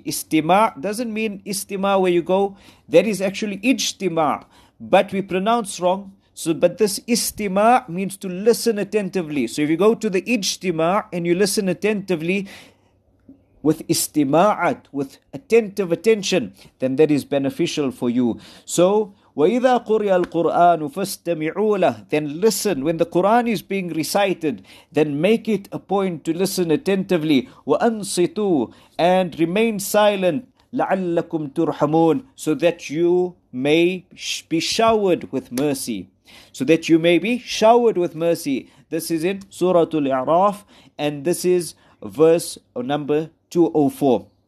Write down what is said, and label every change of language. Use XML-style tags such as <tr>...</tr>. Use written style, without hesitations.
<en>Istima doesn't mean istima where you go. That is actually ijtima, but we pronounce wrong. So, but this istima means to listen attentively. So if you go to the ijtima and you listen attentively with istima'at, with attentive attention, then that is beneficial for you. So</en> <ar>وَإِذَا قُرِيَ الْقُرْآنُ فَاسْتَمِعُوا لَهُ,</ar> <en>then listen. When the Quran is being recited, then make it a point to listen attentively.</en> <ar>وَأَنْصِتُوا,</ar> <en>and remain silent.</en> <ar>لَعَلَّكُمْ تُرْحَمُونَ,</ar> <en>so that you may be showered with mercy. So that you may be showered with mercy. This is in Surah Al-A'raf, and this is verse number 204.</en>